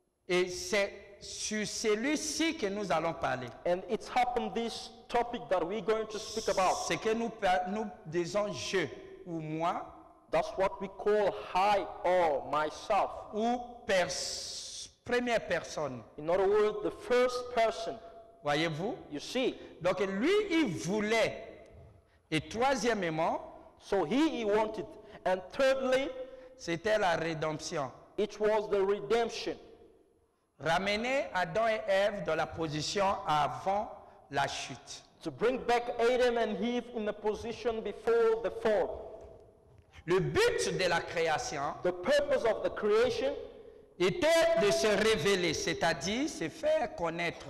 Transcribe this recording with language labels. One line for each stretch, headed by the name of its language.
French: Et c'est sur celui-ci que nous allons parler.
English: And it's happened this topic that we're going to speak about.
French: C'est que nous disons je ou moi.
English: That's what we call I or myself.
French: Ou première personne.
English: In other words, the first person.
French: Voyez-vous?
English: You see.
French: Donc lui, il voulait. Et troisièmement.
English: So he wanted. And thirdly,
French: c'était la rédemption.
English: It was the redemption.
French: Ramener Adam et Ève dans la position avant la chute.
English: To bring back Adam and Eve in the position before the fall.
French: Le but de la création,
English: the purpose of the creation,
French: était de se révéler, c'est-à-dire se faire connaître.